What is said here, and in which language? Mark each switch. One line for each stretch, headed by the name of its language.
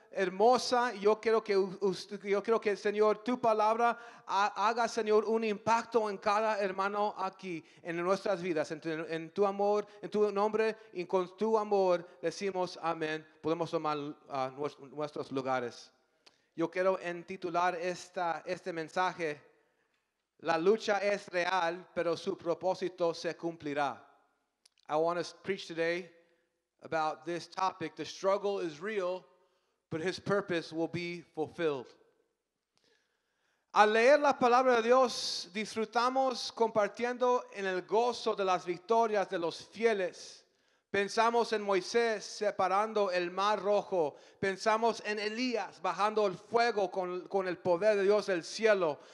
Spanish: Hermosa, yo quiero que Señor, tu palabra haga, Señor, un impacto en cada hermano aquí, en nuestras vidas, en tu amor, en tu nombre y con tu amor decimos amén. Podemos tomar nuestros lugares. Yo quiero entitular este mensaje: la lucha es real, pero su propósito se cumplirá.
English: I want to preach today about this topic: the struggle is real, but his purpose will be fulfilled.
Spanish: Al leer la palabra de Dios, disfrutamos compartiendo en el gozo de las victorias de los fieles. Pensamos en Moisés separando el mar rojo. Pensamos en Elías bajando el fuego con el poder de Dios del cielo.